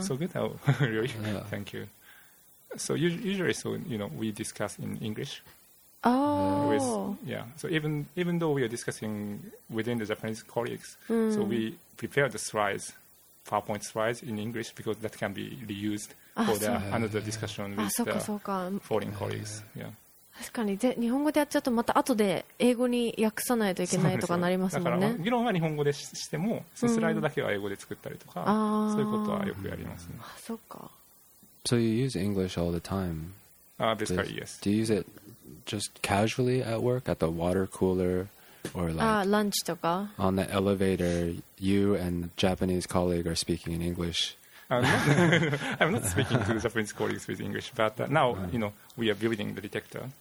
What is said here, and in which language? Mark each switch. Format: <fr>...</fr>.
<en>So good, though. Really? Yeah. Thank you. So usually, we discuss in English. Oh. So even though we are discussing within the Japanese colleagues, so we prepare the slides, PowerPoint slides in English, because that can be reused for another discussion with foreign colleagues. Yeah.</en> <ja>確かに。で、日本語でやっちゃうとまた後で英語に訳さないといけないとかなりますもんね。だから議論は日本語でしても、そのスライドだけは英語で作ったりとか、そういうことはよくやりますね。あ、そうか。</ja> <en>So you use English all the time? Basically, yes. Do you use it just casually at work, at the water cooler, or like lunch とか? On the elevator, you and a Japanese colleague are speaking in English. I'm not speaking to the Japanese colleagues with English, but now, we are building the detector.</en>